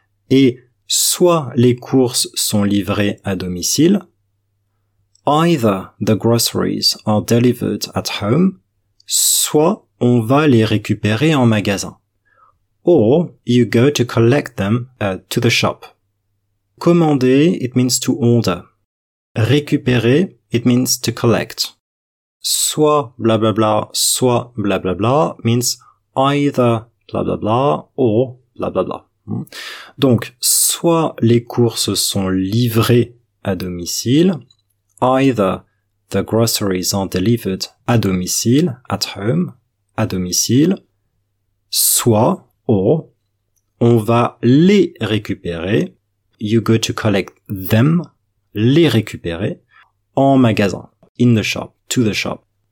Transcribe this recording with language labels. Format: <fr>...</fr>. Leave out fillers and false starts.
<fr>Et soit les courses sont livrées à domicile.</fr> <en>Either the groceries are delivered at home.</en> <fr>Soit on va les récupérer en magasin.</fr> <en>Or you go to collect them to the shop. Commander, it means to order. Récupérer, it means to collect. Soit blablabla, bla bla, soit blablabla bla bla means either blablabla bla bla or blablabla. Bla bla.</en> <fr>Donc, soit les courses sont livrées à domicile,</fr> <en>either the groceries are delivered</en> <fr>à domicile,</fr> <en>at home,</en> <fr>à domicile, soit, or, on va les récupérer,</fr> <en>you go to collect them,</en> <fr>les récupérer en magasin,</fr> <en>in the shop, to the shop.</en>